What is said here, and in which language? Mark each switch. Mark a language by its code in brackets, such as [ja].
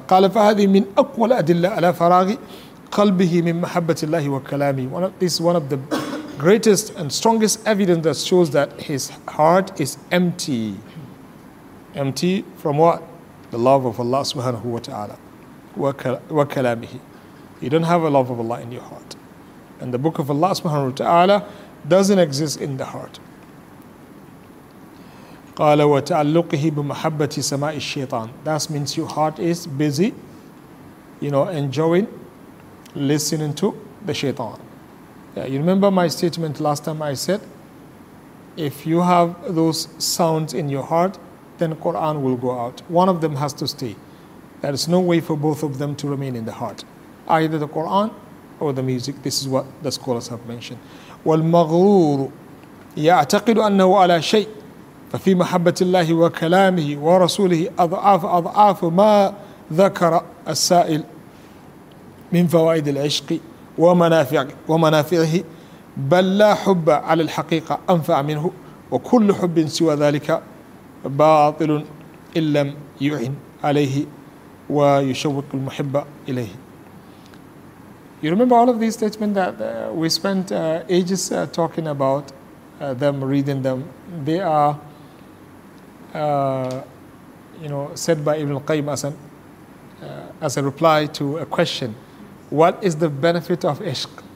[ar] قال فهذه من أقوى الأدلة على فراغ قلبه من محبة الله وكلامه. [en] This is one of the greatest and strongest evidence that shows that his heart is empty. Empty from what? The love of Allah subhanahu wa ta'ala. [ar] وكلامه. [en] You don't have a love of Allah in your heart. And the book of Allah subhanahu wa ta'ala doesn't exist in the heart. [ar] قال وتعلقه بمحبة سماء الشيطان. [en] That means your heart is busy, you know, enjoying, listening to the shaitan. Yeah, you remember my statement last time I said, if you have those sounds in your heart, then Quran will go out. One of them has to stay. There is no way for both of them to remain in the heart. Either the Quran or the music. This is what the scholars have mentioned. [ar] والمغرور يعتقد أنه على شيء ففي محبة الله وكلامه ورسوله أضعاف ما ذكر السائل من فوائد العشق ومنافعه بل لا حب على الحقيقة أنفع منه وكل حب سوى ذلك باطل إن لم يعن عليه ويشوق المحب إليه. [en] You remember all of these statements that we spent ages talking about, them, reading them. They are, you know, said by Ibn al-Qayyim as a reply to a question. What is the benefit of ishq?